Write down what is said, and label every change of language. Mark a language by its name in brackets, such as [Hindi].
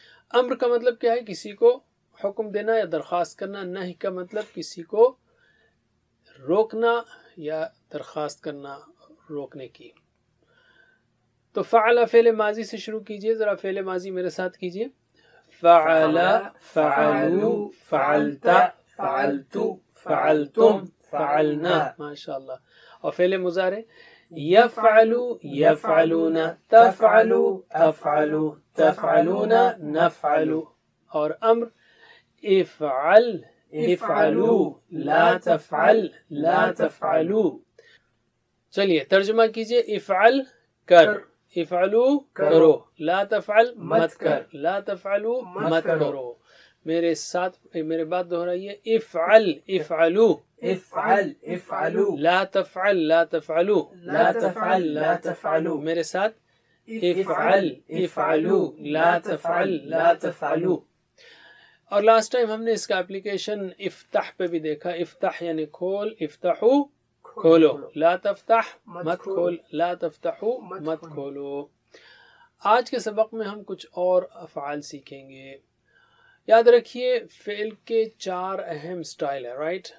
[Urdu] امر کا مطلب کیا ہے, کسی کو حکم دینا یا درخواست کرنا. نہیں کا مطلب کسی کو روکنا یا درخواست کرنا روکنے کی. تو فعلا فعل ماضی سے شروع کیجئے, ذرا فعل ماضی میرے ساتھ کیجئے. [Arabic] فعلا, فعلو, فعلتا, فعلتو, فعلتم, فعلنا, ماشاءاللہ. [Urdu] اور فعل مضارع [Arabic] يفعلوا, يفعلون, تفعلوا, افعلوا, تفعلون, نفعل. [Urdu] اور امر [Arabic] افعل, افعلوا, لا تفعل, لا تفعلوا. [Urdu] چلیے ترجمہ کیجئے, [Arabic] افعل [Urdu] کر, [Arabic] افعلوا [Urdu] کرو, [Arabic] لا تفعل [Urdu] مت کر, [Arabic] لا تفعلوا [Urdu] مت کرو. میرے ساتھ میرے بات دہرائیے, [Arabic] افعل, افعلوا, افعل, افعلوا, لا تفعل, لا تفعلوا, لا تفعل, لا تفعلوا. [Urdu] میرے ساتھ [Arabic] افعل, افعلوا, لا تفعل, لا تفعلوا. [Urdu] اور [English] last time [Urdu] ہم نے اس کا اپلیکیشن [Arabic] افتح [Urdu] پہ بھی دیکھا. افتح یعنی کھول, [Arabic] افتحو [Urdu] کھولو, [Arabic] لا تفتح [Urdu] مت کھول, [Arabic] لا تفتحو [Urdu] مت کھولو. آج کے سبق میں ہم کچھ اور افعال سیکھیں گے. یاد رکھیے فعل کے چار اہم سٹائل ہیں, رائٹ.